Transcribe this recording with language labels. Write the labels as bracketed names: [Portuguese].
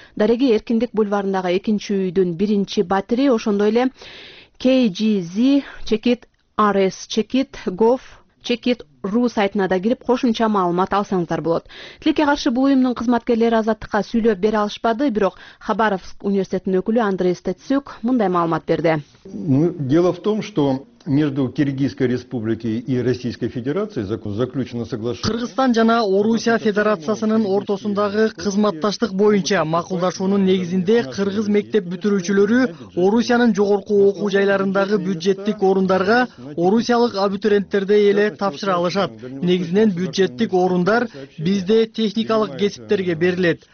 [Kyrgyz] Дареги Эркиндик бульварындагы 2-чи үйдүн 1-чи батири, ошондой эле KGZ/RS/GOV/RU сайтына да кирип кошумча маалымат алсаңыздар болот. Тилекке каршы бул уюмдун кызматкерлери азаттыкка сүйлөп бере алышпады, бирок Хабаровск университетинин өкүлү Андрей Стецюк мындай маалымат берди. [Russian] Дело в том, что между Киргизской Республикой и Российской Федерацией заключено соглашение. [Kyrgyz] Кыргызстан жана Орусия Федерациясынын ортосундагы кызматташтык боюнча макулдашуунун негизинде кыргыз мектеп бүтүрүүчүлөрү Орусиянын жогорку окуу жайларындагы бюджеттик орундарга орусиялык абитуриенттерди эле тапшыра алышат. Негизинен бюджеттик орундар бизде техникалык кесиптерге берилет.